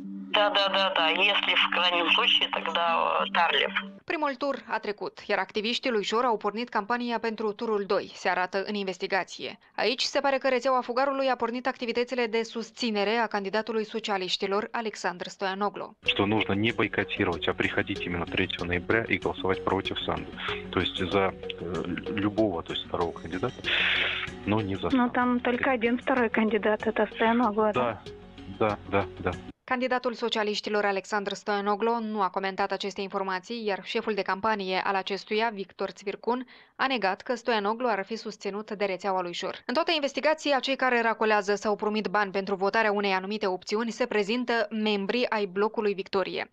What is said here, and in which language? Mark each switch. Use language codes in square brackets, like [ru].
[ro] Da. Este în [ru] крайnim случае, тогда Tarlev. [ro] Primul tur a trecut, iar activiștii lui Șor au pornit campania pentru turul 2, se arată în investigație. Aici se pare că rețeaua Fugarului a pornit activitățile de susținere a candidatului socialiștilor Alexandru Stoianoglu. [ru] Что нужно не бойкотировать, а приходить именно 3 ноября и голосовать против Санды. То есть за любого, то есть второго кандидата, но не за. Но там только один второй кандидат, это Стояноглу. Да. [ro] Candidatul socialiștilor Alexandru Stoianoglu nu a comentat aceste informații, iar șeful de campanie al acestuia, Victor Țvircun, a negat că Stoianoglu ar fi susținut de rețeaua lui Șor. În toată investigația, cei care racolează sau promit bani pentru votarea unei anumite opțiuni se prezintă membrii ai blocului Victorie.